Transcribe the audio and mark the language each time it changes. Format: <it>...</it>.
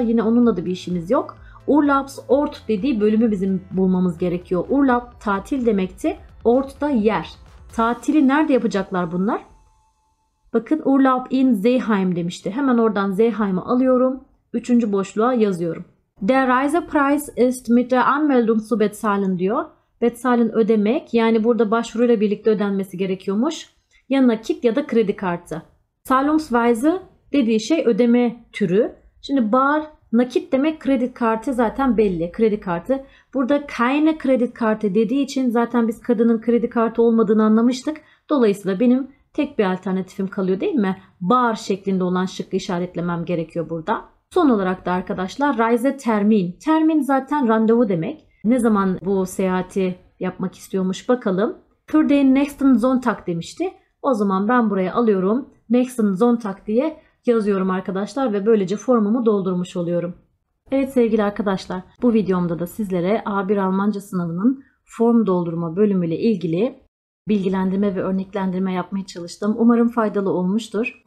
<tr>Yine onunla da bir işimiz yok. Urlaubs Ort dediği bölümü bizim bulmamız gerekiyor. Urlaub tatil demekti. Ort da yer. Tatili nerede yapacaklar bunlar? Bakın</tr> <de>Urlaub in Seeheim</de> <tr>demişti. Hemen oradan Seeheim'i alıyorum. Üçüncü boşluğa yazıyorum.</tr> <de>Der Reisepreis ist mit der Anmeldung zu bezahlen</de> <tr>diyor. Bezahlen ödemek yani burada başvuruyla birlikte ödenmesi gerekiyormuş. Ya nakit ya da kredi kartı. Zahlungsweise dediği şey ödeme türü. Şimdi bar nakit demek kredi kartı zaten belli. Kredi kartı. Burada keine kredi kartı dediği için zaten biz kadının kredi kartı olmadığını anlamıştık. Dolayısıyla benim tek bir alternatifim kalıyor değil mi? Bar şeklinde olan şıkkı işaretlemem gerekiyor burada. Son olarak da arkadaşlar Reise Termin. Termin zaten randevu demek. Ne zaman bu seyahati yapmak istiyormuş bakalım.</tr> <de>Für den nächsten Sonntag</de> <tr>demişti. O zaman ben buraya alıyorum.</tr> <de>Nächsten Sonntag</de> <tr>diye yazıyorum arkadaşlar ve böylece formumu doldurmuş oluyorum. Evet sevgili arkadaşlar, bu videomda da sizlere A1 Almanca sınavının form doldurma bölümüyle ilgili bilgilendirme ve örneklendirme yapmaya çalıştım. Umarım faydalı olmuştur.</tr>